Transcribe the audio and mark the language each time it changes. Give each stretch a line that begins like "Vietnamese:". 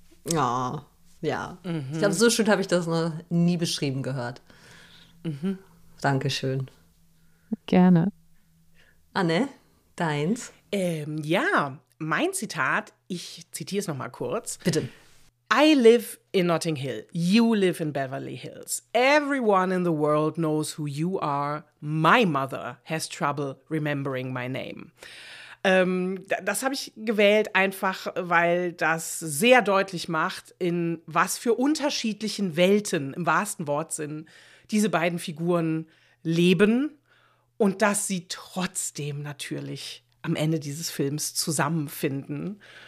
German: Ja, ja. Mhm. Ich glaube, so schön habe ich das noch nie beschrieben gehört. Mhm. Dankeschön. Gerne. Anne, deins? Mein Zitat, ich zitiere es nochmal kurz. Bitte.
English: I live in Notting Hill. You live in Beverly Hills. Everyone in the world knows who you are. My mother has trouble remembering my name.
German: Das habe ich gewählt, einfach weil das sehr deutlich macht, in was für unterschiedlichen Welten, im wahrsten Wortsinn, diese beiden Figuren leben und dass sie trotzdem natürlich am Ende dieses Films zusammenfinden.